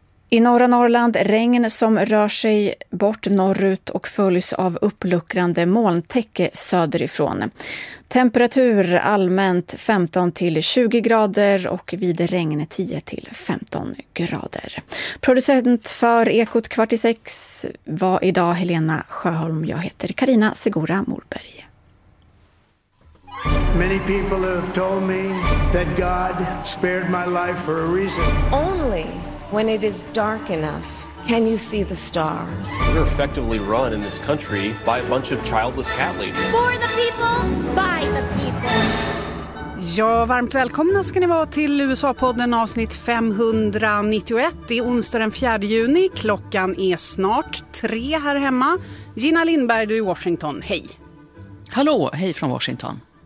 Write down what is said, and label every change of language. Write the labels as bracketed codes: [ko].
[sv] I norra Norrland regn som rör sig bort norrut och följs av uppluckrande molntäcke söderifrån. Temperatur allmänt 15-20 grader och vid regn 10-15 grader. Producent för Ekot kvart i sex var idag Helena Sjöholm. Jag heter Karina Segura Morberg. [en] Many people have told me that God spared my life for a reason. Only when it is dark enough. Can you see the stars? We're effectively run in this country by a bunch of childless cat ladies. For the people, by the people. [sv] Ja, varmt välkomna ska ni vara till USA-podden avsnitt 591. Det är onsdag den 4 juni. Klockan är snart 3 här hemma. Gina Lindberg, du är i Washington. Hej. Hallå, hej från Washington.